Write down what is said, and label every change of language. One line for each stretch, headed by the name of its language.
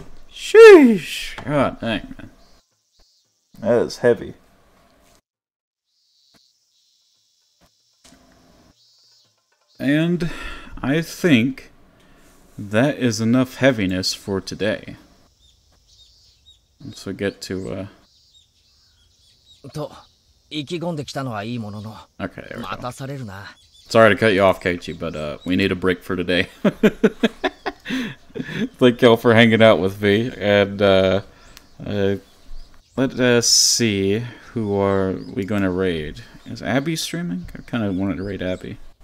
English: Sheesh! God dang, man. That is heavy. And I think that is enough heaviness for today. Once we get to,
Japanese: と意気込んできたのはいいものの、
English: okay, there we go.
Japanese: 待たされるな。
English: Sorry to cut you off, Keiichi, but we need a break for today. Thank y'all for hanging out with me, and Let us see who are we going to raid. Is Abby streaming? I kind of wanted to raid Abby.